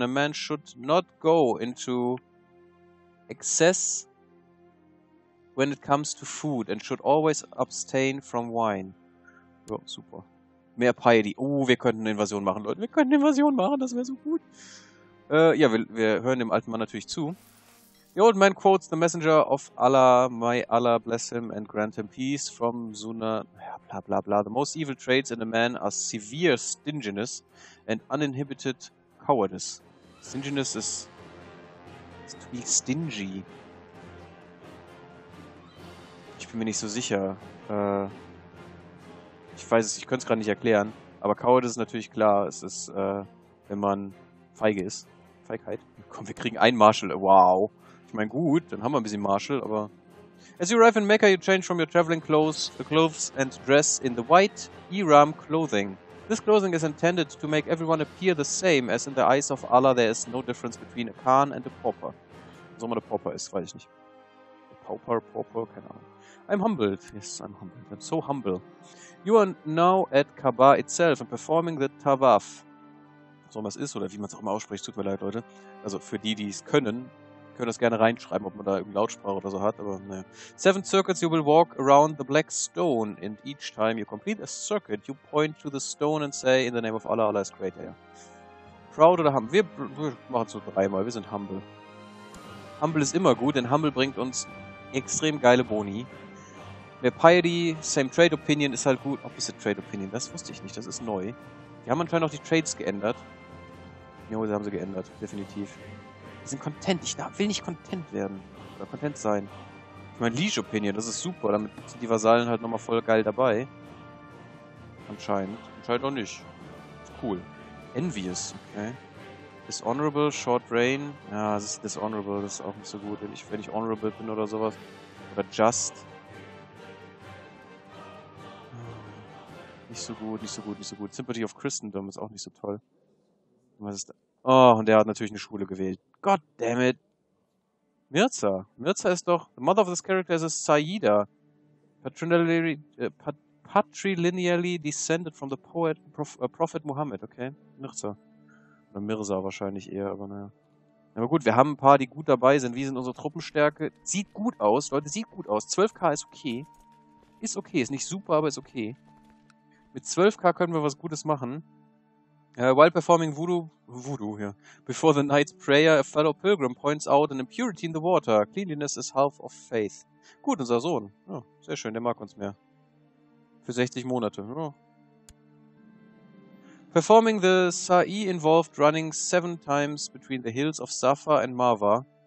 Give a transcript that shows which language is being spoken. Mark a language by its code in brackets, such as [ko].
[en] A man should not go into excess when it comes to food and should always abstain from wine. [de] Ja, super. Mehr Piety. Oh, wir könnten eine Invasion machen, Leute. Wir könnten eine Invasion machen, das wäre so gut. Ja, wir hören dem alten Mann natürlich zu. [en] The old man quotes the messenger of Allah, may Allah bless him and grant him peace from Sunnah. [de] Ja, bla bla bla. [en] The most evil traits in a man are severe stinginess and uninhibited cowardice. Stinginess is to be stingy. [de] Ich bin mir nicht so sicher. Ich weiß es, ich könnte es gerade nicht erklären. Aber Cowardice ist natürlich klar. Es ist, wenn man feige ist. Feigheit. Komm, wir kriegen einen Marshal. Wow. Ich meine, gut, dann haben wir ein bisschen Marshal, aber... [en] As you arrive in Mecca, you change from your traveling clothes, the clothes and dress in the white Ihram clothing. This clothing is intended to make everyone appear the same, as in the eyes of Allah there is no difference between a Khan and a Pauper. [de] Was auch mal der Pauper ist, weiß ich nicht. [en] Pauper, Pauper, [de] keine Ahnung. [en] I'm humbled. Yes, I'm humbled. I'm so humble. You are now at Kaaba itself and performing the Tawaf. [de] So was ist oder wie man es auch immer ausspricht, tut mir leid, Leute. Also für die, die es können, können das gerne reinschreiben, ob man da irgendeine Lautsprache oder so hat, aber ne. [en] Seven circuits you will walk around the black stone and each time you complete a circuit you point to the stone and say in the name of Allah, Allah is great. [de] Yeah. Proud oder humble? Wir machen es so dreimal. Wir sind humble. Humble ist immer gut, denn humble bringt uns extrem geile Boni. Mehr Piety, same trade opinion, ist halt gut. Opposite trade opinion, das wusste ich nicht, das ist neu. Die haben anscheinend auch die Trades geändert. Jo, sie haben sie geändert, definitiv. Die sind content, ich will nicht content werden. Oder content sein. Ich meine, Liege opinion, das ist super, damit sind die Vasallen halt nochmal voll geil dabei. Anscheinend. Anscheinend auch nicht. Ist cool. Envious, okay. [en] Dishonorable, short rain. [de] Ja, das ist dishonorable, das ist auch nicht so gut, wenn ich honorable bin oder sowas. Oder just. Nicht so gut, nicht so gut, nicht so gut. Sympathy of Christendom ist auch nicht so toll. Was ist da? Oh, und der hat natürlich eine Schule gewählt. [en] God damn it. Mirza. Mirza [de] ist doch... [en] The mother of this character is a Sayyida. Patrilineally descended from the poet Prophet Muhammad, okay? [de] Mirza. Oder Mirza wahrscheinlich eher, aber naja. Aber gut, wir haben ein paar, die gut dabei sind. Wie sind unsere Truppenstärke? Sieht gut aus, Leute, sieht gut aus. 12k ist okay. Ist okay, ist nicht super, aber ist okay. Mit 12k können wir was Gutes machen. [en] While performing voodoo here, before the night's prayer, a fellow pilgrim points out an impurity in the water. Cleanliness is half of faith. [de] Gut, unser Sohn. Ja, sehr schön, der mag uns mehr. Für 60 Monate. Ja. [en] Performing the Sa'i involved running 7 times between the hills of Safa and Marwa.